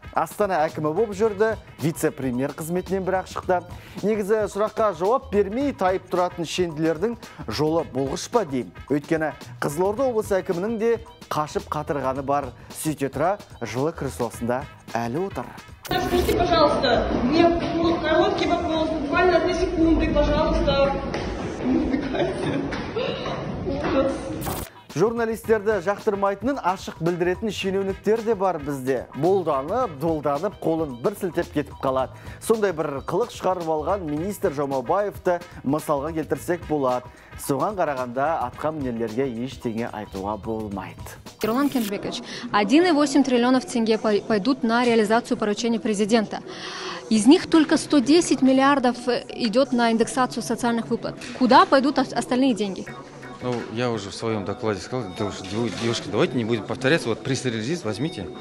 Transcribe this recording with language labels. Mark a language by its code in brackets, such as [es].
[kk] Астана әкімі боп жүрді, вице-премьер қызметінен бірақ шықты. Негізі сұраққа жауап бермей тайып тұратын шенділердің жолы болғыш па дейм. Өйткені Қызылорда облысы әкімінің де қашып қатырғаны бар. Сөйте тұра жылы кресосында әлі отыр. [ru] Скажите, пожалуйста, мне короткий вопрос, буквально 2 секунды, пожалуйста. [kk] Журналистерді жақтырмайтынын ашық білдіретін шенеуніктер де бар бізде. Болданып, қолын бір сілтеп кетіп қалады. Сондай бір қылық шығарып алған министр Жамаубаевты мысалға келтірсек болады. Соған қарағанда атқа мінерлерге ештеңе айтуға болмайды. [ru] Ерлан Кенжбекович, 1,8 триллионов тенге пойдут на реализацию поручения президента. Из них только 110 миллиардов идет на индексацию социальных выплат. Куда пойдут остальные деньги? Ну, я уже в своем докладе сказал, девушки, давайте не будем повторяться, вот пресс-релиз здесь, возьмите.